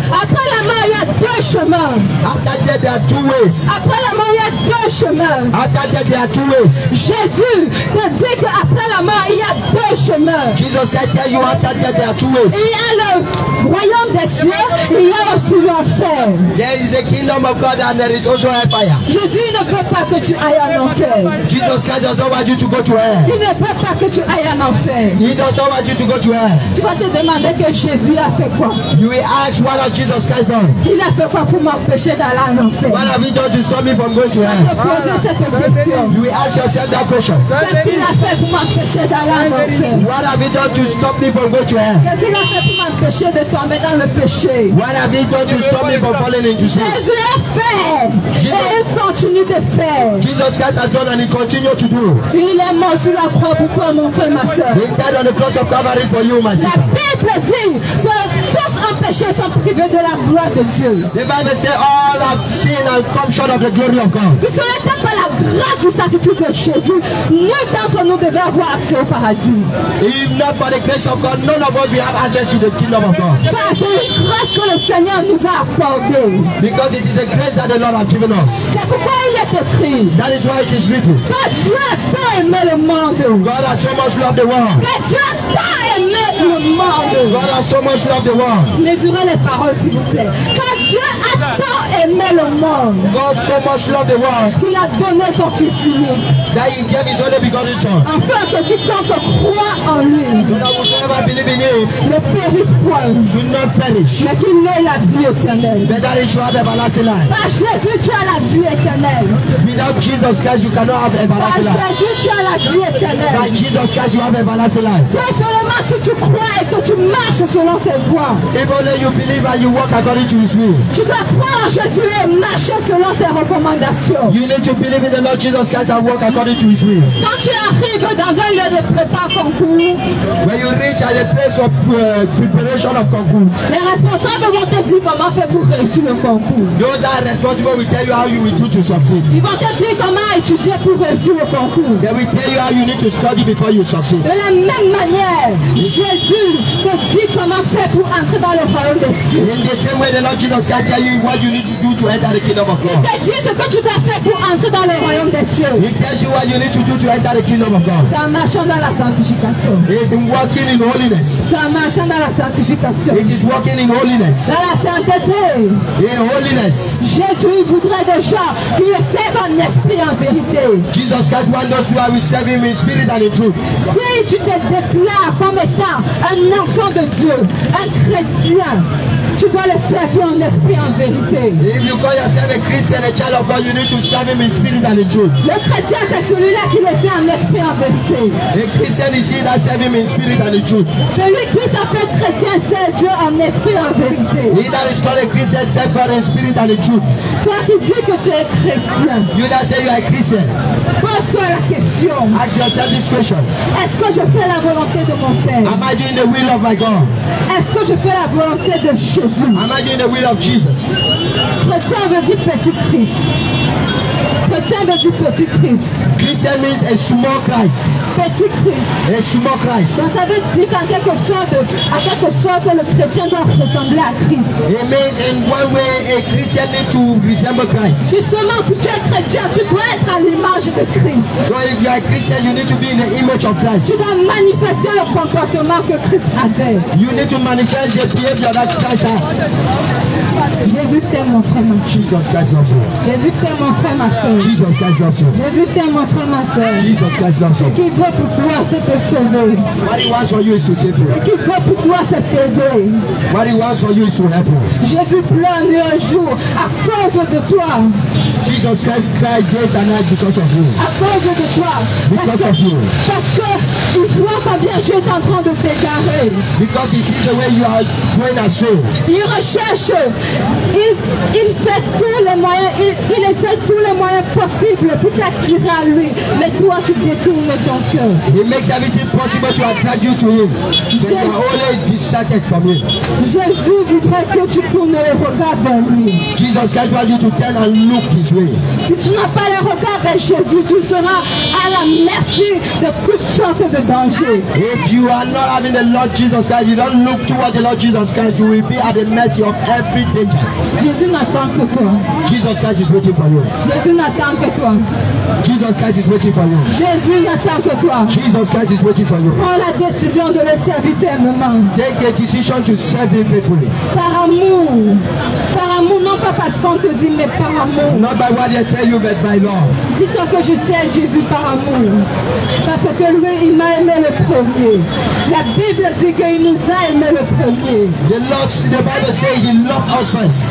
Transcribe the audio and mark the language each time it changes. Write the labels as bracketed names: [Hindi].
[French] Après la mort, il y a deux chemins. [English] After death, there are two ways. [French] Après la mort, il y a deux chemins. [English] After death, there are two ways. [French] Jésus te dit qu'après la mort, il y a deux chemins. [English] Jesus said, tell you, after death, there are two ways. [French] Il y a le royaume des cieux, il y a aussi l'enfer. [English] There is a kingdom of God and there is also empire. [French] Jésus ne veut pas que tu ailles en enfer. [English] Jesus Christ doesn't want you to go to hell. [French] Il ne veut pas que tu ailles en enfer. [English] He does not want you to go to hell. [French] Tu vas te demander que Jésus a fait quoi? [English] You will ask what has Jesus Christ done? [French] Il a fait quoi pour m'empêcher d'aller en enfer? [English] What have he done to stop me from going to hell? [French] Tu vas te poser cette question. [English] You will ask yourself that question. [French] Qu'est-ce qu'il a fait pour m'empêcher d'aller en enfer? [English] What have he done to stop me from going to hell? [French] Qu'est-ce qu'il a fait pour m'empêcher de tomber dans le péché? [English] What have he done to stop me from falling into sin? [French] Jésus a fait. Jesus, et il continue de faire. [English] Jesus Christ has done and he continues to do. [French] Il est mort sur la croix pour toi, mon frère, ma soeur. [English] He died on the cross of Calvary for you, my sister. [French] La Bible dit que tous ont péché sont privés de la gloire de Dieu. [English] The Bible says all have sinned and come short of the glory of God. [French] Si ce n'était pas la grâce du sacrifice de Jésus, nul d'entre nous devait avoir accès au paradis. [English] If not for the grace of God, none of us will have access to the kingdom of God. [French] C'est une grâce que le Seigneur nous a accordée. [English] Because it is a grace that the Lord has given us. [French] C'est pourquoi il est écrit. [English] That is why it is written. [French] Que Dieu a tant aimé le monde. [English] God has so much loved the world. [French] Que Dieu a tant aimé le monde. [English] God has so much loved the world. [French] Mesurez les paroles, s'il vous plaît. Que Dieu a tant aimé le monde. [English] God so much loved the world. [French] Qu'il a donné son fils unique. [English] That he gave his only begotten son. [French] Afin que quiconque croit en lui. [English] So that whosoever believe in him. [French] Ne périsse point. [English] Should not perish. [French] Mais qu'il ait la vie éternelle. [English] But that he should have everlasting life. [French] Par Jésus, tu as la vie éternelle. [English] Without Jesus Christ, you cannot have everlasting life. [French] Par Jésus, tu as la vie éternelle. [English] By Jesus Christ, you have everlasting life. [French] C'est seulement si tu crois et que tu marches selon ses voies. [English] Even though you believe and you walk according to his will. [French] Tu dois croire en Jésus et marcher selon ses recommandations. [English] You need to believe in the Lord Jesus Christ and walk according to his will. [French] Quand tu arrives dans un lieu de prépare concours, [English] when you reach at a place of preparation of concours, [French] les responsables vont te dire comment faire pour réussir le concours. [English] Those that are responsible will tell you how you will do to succeed. [French] Ils vont te dire comment étudier pour réussir le concours. [English] They will tell you how you need to study before you succeed. [French] De la même manière, Jésus te dit comment faire pour entrer dans le royaume des cieux. [English] In the same way, the Lord Jesus can tell you what you need to do to enter the kingdom of God. [French] Il te dit ce que tu dois faire pour entrer dans le royaume des cieux. [English] He tells you what you need to do to enter the kingdom of God. [French] C'est en marchant dans la sanctification. [English] It's in walking in holiness. [French] C'est en marchant dans la sanctification. [English] It is walking in holiness. [French] Dans la sainteté. [English] In holiness. [French] Jésus voudrait des gens qui le servent en esprit en vérité. [English] Jesus Christ wants us who are serving in spirit and in truth. [French] Si tu te déclares comme étant un enfant de Dieu, un chrétien, tu dois le servir en esprit en vérité. [English] If you call yourself a Christian, a child of God, you need to serve him in spirit and in truth. [French] Le chrétien c'est celui-là qui le sert en esprit en vérité. [English] A Christian is he that serve him in spirit and in truth. [French] Celui qui s'appelle chrétien sert Dieu en esprit en vérité. [English] He that is called a Christian sert God in spirit and in truth. [French] Toi qui dis que tu es chrétien. [English] You that say you are a Christian. [French] Pose-toi la question. [English] Ask yourself this question. [French] Est-ce que je fais la volonté de mon Père? [English] Am I doing the will of my God? [French] Est-ce que je fais la volonté de Jésus? [English] Am I doing the will of Jesus? [French] Chrétien veut dire petit Christ. Chrétien veut dire petit Christ. [English] Christian means a small Christ. [French] Petit Christ. [English] A small Christ. [French] Donc ça veut dire qu'en quelque sorte, en quelque sorte, le chrétien doit ressembler à Christ. [English] It means in one way a Christian needs to resemble Christ. [French] Justement, si tu es chrétien, tu dois être à l'image de Christ. [English] So if you are a Christian, you need to be in the image of Christ. [French] Tu dois manifester le comportement que Christ avait. [English] You need to manifest the behavior that Christ had. [French] Jésus t'aime, mon frère, ma soeur. [English] Jesus Christ loves you. [French] Jésus t'aime, mon frère, ma soeur. [English] Jesus Jesus Christ loves you. [French] Jésus t'aime, mon frère, ma soeur. [English] Jesus Christ loves you. [French] Ce qu'il veut pour toi, c'est te sauver. [English] What he wants for you is to save you. [French] Ce qu'il veut pour toi, c'est t'aider. [English] What he wants for you is to help you. [French] Jésus pleure un jour à cause de toi. [English] Jesus Christ cries days and nights because of you. [French] À cause de toi. [English] Because of you. [French] Parce qu'il voit combien je suis en train de t'égarer. [English] Because he sees the way you are going astray. [French] Il recherche. Il fait tous les moyens. Il essaie tous les moyens possibles pour t'attirer à lui. Mais toi, tu détournes ton cœur. [English] He makes everything possible to attract you to him. So you are always distracted from him. [French] Jésus voudrait que tu tournes le regard vers lui. [English] Jesus Christ wants you to turn and look his way. [French] Si tu n'as pas le regard vers Jésus, tu seras à la merci de toutes sortes de dangers. [English] If you are not having the Lord Jesus Christ, you don't look toward the Lord Jesus Christ, you will be at the mercy of every danger. [French] Jésus n'attend que toi. [English] Jesus Christ is waiting for you. [French] Jésus n'attend que toi. [English] Jesus Christ is waiting for you. [French] Jésus n'attend que toi. [English] Jesus Christ is waiting for you. [French] Prends la décision de le servir fermement. [English] Take the decision to serve him faithfully. [French] Par amour. Par amour, non pas parce qu'on te dit, mais par amour. [English] Not by what they tell you, but by love. [French] Dis-toi que je sers Jésus par amour. Parce que lui, il m'a aimé le premier. La Bible dit qu'il nous a aimé le premier. [English] The Lord, the Bible says he loved us first.